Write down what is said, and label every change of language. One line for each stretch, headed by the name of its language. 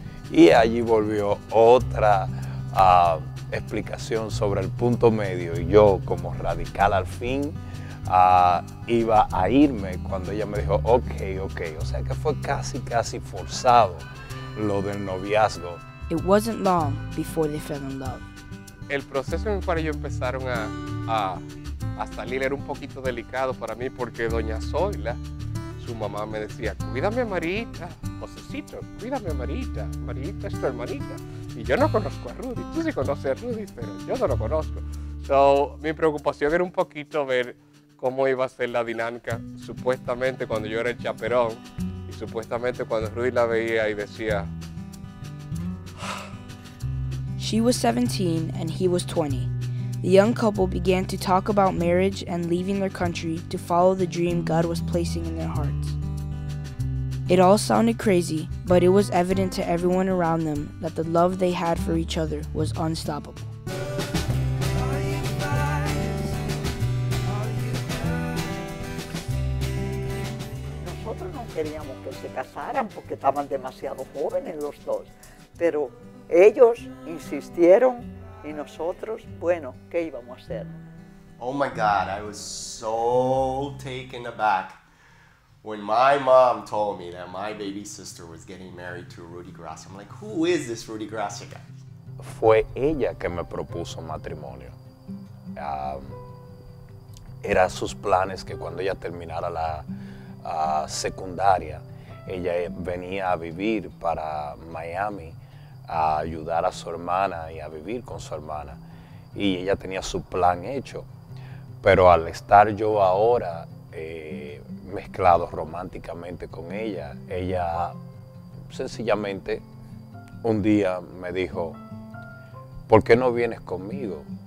Spanish: Y allí volvió otra explicación sobre el punto medio. Y yo, como radical al fin, iba a irme cuando ella me dijo, ok, ok. O sea que fue casi, casi forzado lo del noviazgo.
English: It wasn't long before they fell in love.
Spanish: El proceso en el cual ellos empezaron a salir era un poquito delicado para mí porque doña Zoila, su mamá me decía, cuídame a Marita, Josecito, cuídame a Marita, Marita es tu hermanita. Y yo no conozco a Rudy, tú sí conoces a Rudy, pero yo no lo conozco. So, mi preocupación era un poquito ver cómo iba a ser la dinámica, supuestamente cuando yo era el chaperón, y supuestamente cuando Rudy la veía y decía...
English: She was 17 and he was 20. The young couple began to talk about marriage and leaving their country to follow the dream God was placing in their hearts. It all sounded crazy, but it was evident to everyone around them that the love they had for each other was unstoppable.
Spanish: Nosotros no queríamos que se casaran porque estaban demasiado jóvenes los dos, pero ellos insistieron. Y nosotros, bueno, ¿qué íbamos a hacer?
English: Oh my God, I was so taken aback when my mom told me that my baby sister was getting married to Rudy Gracia. I'm like, who is this Rudy Gracia guy?
Spanish: Fue ella que me propuso matrimonio. Era sus planes que cuando ella terminara la secundaria, ella venía a vivir para Miami a ayudar a su hermana y a vivir con su hermana. Y ella tenía su plan hecho. Pero al estar yo ahora mezclado románticamente con ella, ella sencillamente un día me dijo, ¿por qué no vienes conmigo?